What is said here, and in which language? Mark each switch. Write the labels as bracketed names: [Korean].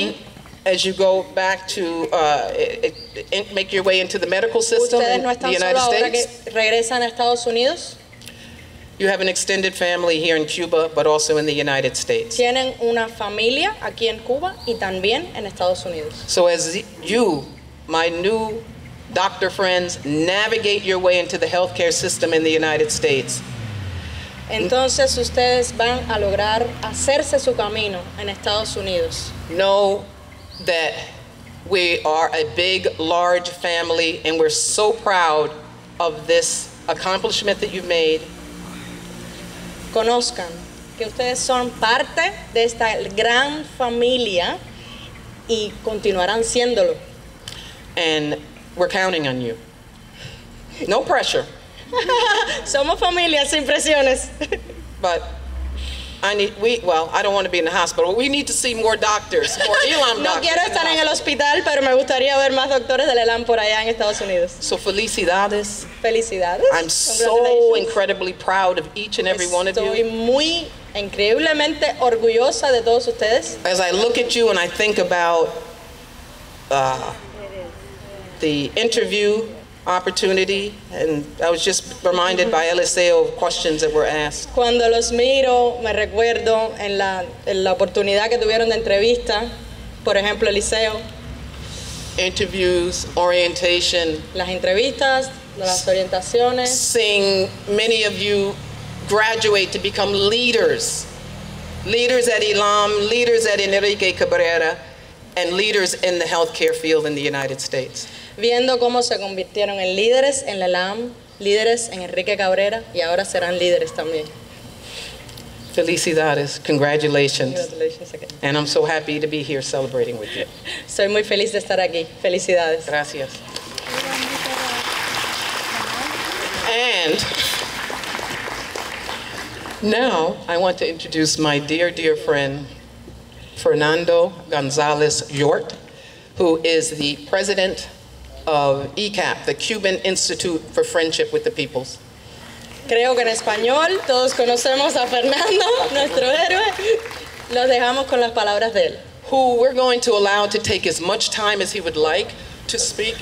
[English] You're not alone as you go back to make your way into the medical system in the United States. [Spanish] Regresan a Estados Unidos. [English] You have an extended family here in Cuba, but also in the United States. [Spanish] Tienen una familia aquí en Cuba y también en Estados Unidos. [English] So as you, my new doctor friends, navigate your way into the healthcare system in the United States. [Spanish] Entonces ustedes van a lograr hacerse su camino en Estados Unidos. [English] No. That we are a big, large family, and we're so proud of this accomplishment that you've made. [Spanish] reconozcan que ustedes son parte de esta gran familia y continuarán siéndolo. [English] And we're counting on you. No pressure. [Spanish] Somos familia sin presiones. [English] But I don't want to be in the hospital. We need to see more doctors, more Elam doctors. [Spanish] No quiero estar en el hospital, pero me gustaría ver más doctores del Elam por allá en Estados Unidos. So felicidades. Felicidades. [English] I'm so incredibly proud of each and every one of you. [Spanish] Estoy muy increíblemente orgullosa de todos ustedes. [English] As I look at you and I think about the interview opportunity, and I was just reminded by Eliseo of questions that were asked. [Spanish] Cuando los miro, me recuerdo en la oportunidad que tuvieron de entrevista, por ejemplo, Eliseo. [English] Interviews, orientation. [Spanish] Las entrevistas, las orientaciones. [English] Seeing many of you graduate to become leaders. Leaders at Elam, leaders at Enrique Cabrera, and leaders in the healthcare field in the United States. [Spanish] Viendo cómo se convirtieron en líderes en la LAM, líderes en Enrique Cabrera, y ahora serán líderes también. Felicidades, [English] congratulations. Congratulations again. And I'm so happy to be here celebrating with you. [Spanish] Soy muy feliz de estar aquí. Felicidades. Gracias. [English] And now I want to introduce my dear, dear friend, Fernando González Yort, who is the president of ECAP, the Cuban Institute for Friendship with the Peoples. [Spanish] Creo que en español todos conocemos a Fernando, nuestro héroe. Los dejamos con las palabras de él. [English] Who we're going to allow to take as much time as he would like to speak.